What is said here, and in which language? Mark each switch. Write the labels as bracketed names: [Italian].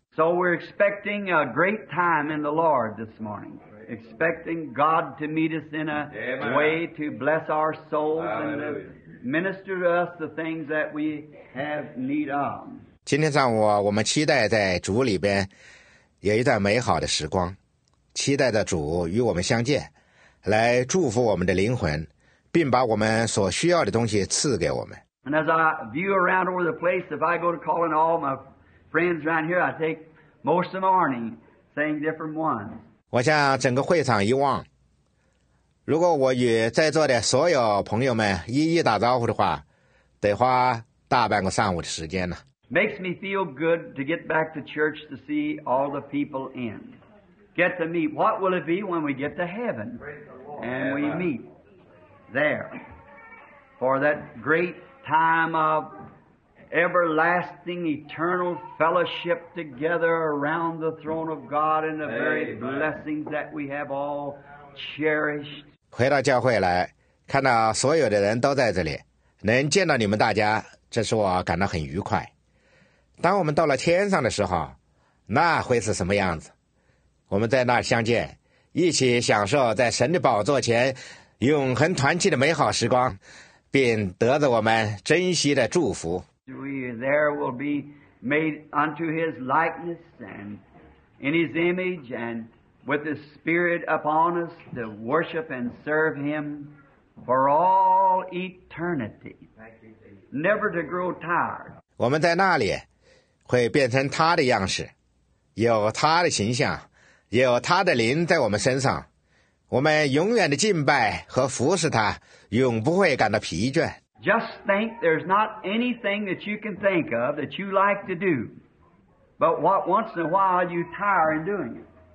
[English] So we're expecting a great time in the Lord this morning. Expecting God to meet us in a way to bless our souls and to minister to us the things that we have need of. [Chinese] 今天上午我们期待在主里边有一段美好的时光，期待着主与我们相见，来祝福我们的灵魂，并把我们所需要的东西赐给我们。 [English] And as I view around over the place, if I go to calling all my friends around here, I take most of the morning saying different ones. [Chinese] 我向整个会场一望，如果我与在座的所有朋友们一一打招呼的话，得花大半个上午的时间呢。 [English] Makes me feel good to get back to church to see all the people in. Get to meet. What will it be when we get to heaven and we meet there for that great time of everlasting, eternal fellowship together around the throne of God and the very blessings that we have all cherished. [Chinese] 回到教会来，看到所有的人都在这里，能见到你们大家，这使我感到很愉快。当我们到了天上的时候，那会是什么样子？我们在那儿相见，一起享受在神的宝座前永恒团契的美好时光，并得着我们珍惜的祝福。 [English] We there will be made unto His likeness and in His image and with His Spirit upon us to worship and serve Him for all eternity, never to grow tired. [Chinese] 我们在那里会变成他的样式，有他的形象，有他的灵在我们身上，我们永远的敬拜和服侍他，永不会感到疲倦。 [English] Just think there's not anything that you can think of that you like to do, but what once in a while you tire in doing it.